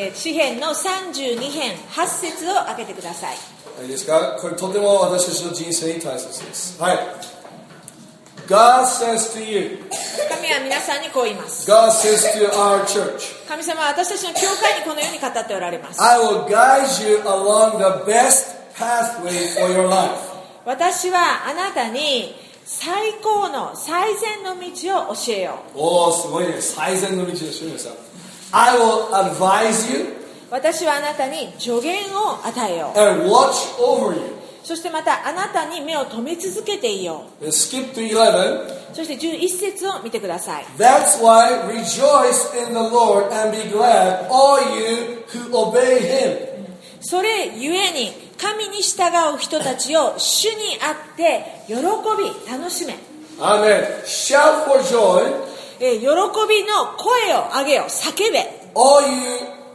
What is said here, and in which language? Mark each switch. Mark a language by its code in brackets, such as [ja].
[ja] はい、詩編の32編8節を開けてください。いいですか。これとても私たちの人生に大切です。 [en] はい、God says to you, [ja] 神は皆さんにこう言います。 [en] God says to our church, [ja] 神様は私たちの教会にこのように語っておられます。 [en] I will guide you along the best pathway for your life. [ja] 私はあなたに最高の最善の道を教えよう。おお、すごいね。最善の道を教えよう。 [en] I will advise you, [ja] 私はあなたに助言を与えよう。 [en] And watch over you. [ja] そしてまたあなたに目を留め続けていよう。 [en] Skip to 11. [ja] そして11節を見てください。 [en] That's why rejoice in the Lord and be glad all you who obey him. [ja] それゆえに神に従う人たちを主にあって喜び楽しめ。 [en] Amen. Shout for joy. [ja] 喜びの声を上げよ、叫べ。